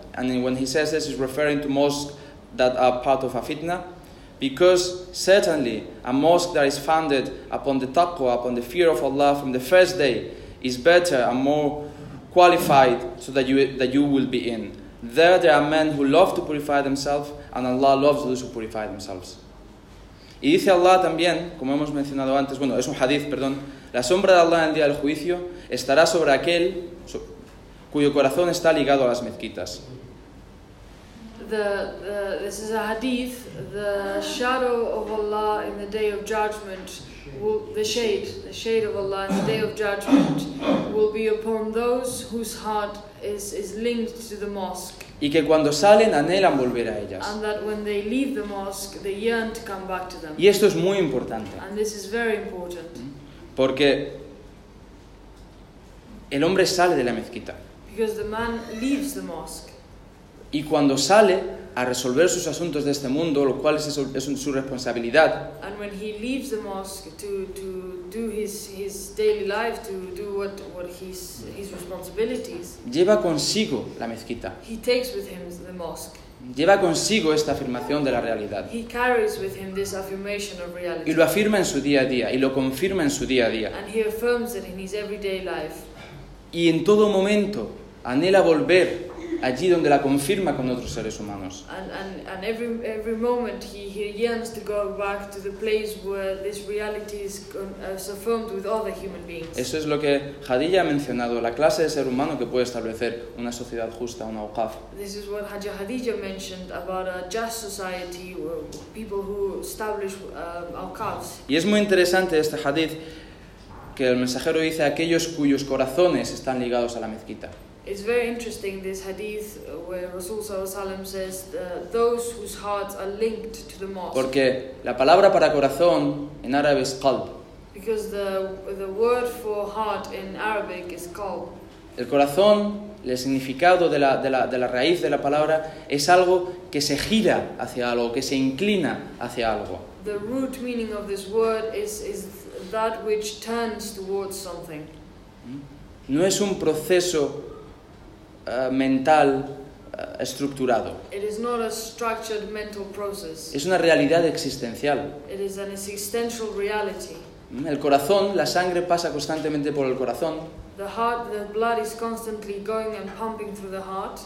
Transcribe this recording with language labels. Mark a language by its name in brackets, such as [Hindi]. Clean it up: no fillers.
[English] And when he says this, he's referring to mosques that are part of a fitna, because certainly a mosque that is founded upon the taqwa, upon the fear of Allah from the first day, is better and more qualified so that you will be in. There are men who love to purify themselves, and Allah loves those who purify themselves. [Spanish] Y dice Allah también, como hemos mencionado antes, bueno, es un hadith, perdón, la sombra de Allah en el día del juicio estará sobre aquel cuyo corazón está ligado a las mezquitas. [English] This is a hadith. The shadow of Allah in the day of judgment, the shade of Allah in the day of judgment, will be upon those whose heart is linked to the mosque. [Spanish] Y que cuando salen anhelan volver a ellas. [English] And that when they leave the mosque, they yearn to come back to them. [Spanish] Y esto es muy importante. [English] And this is very important. [Spanish] Porque el hombre sale de la mezquita. [English] Because the man leaves the mosque. [Spanish] Y cuando sale a resolver sus asuntos de este mundo, lo cual es su responsabilidad. [English] And when he leaves the mosque to do his daily life, to do what his responsibilities. [Spanish] Lleva consigo la mezquita. [English] He takes with him the mosque. [Spanish] Lleva consigo esta afirmación de la realidad. [English] He carries with him this affirmation of reality. [Spanish] Y lo afirma en su día a día, y lo confirma en su día a día. [English] And he affirms it in his everyday life. [Spanish] Y en todo momento anhela volver allí donde la confirma con otros seres humanos. [English] And every moment he yearns to go back to the place where this reality is affirmed with other human beings. [Spanish] Eso es lo que Hadija ha mencionado, la clase de ser humano que puede establecer una sociedad justa, una awqaf. [English] This is what Hadija mentioned about a just society, people who establish awqafs. [Spanish] Y es muy interesante este hadith que el mensajero dice: aquellos cuyos corazones están ligados a la mezquita. [English] It's very interesting this hadith where Rasul sallallahu alaihi wasallam says those whose hearts are linked to the mosque. [Spanish] Porque la palabra para corazón en árabe es qalb. [English] Because the word for heart in Arabic is qalb. [Spanish] El corazón, el significado de la raíz de la palabra es algo que se gira hacia algo, que se inclina hacia algo. [English] The root meaning of this word is that which turns towards something. [Spanish] No es un proceso mental estructurado. [English] It is not a structured mental process. [Spanish] Es una realidad existencial. [English] It is an existential reality. [Spanish] El corazón, la sangre pasa constantemente por el corazón. [English] The heart, the blood is constantly going and pumping through the heart.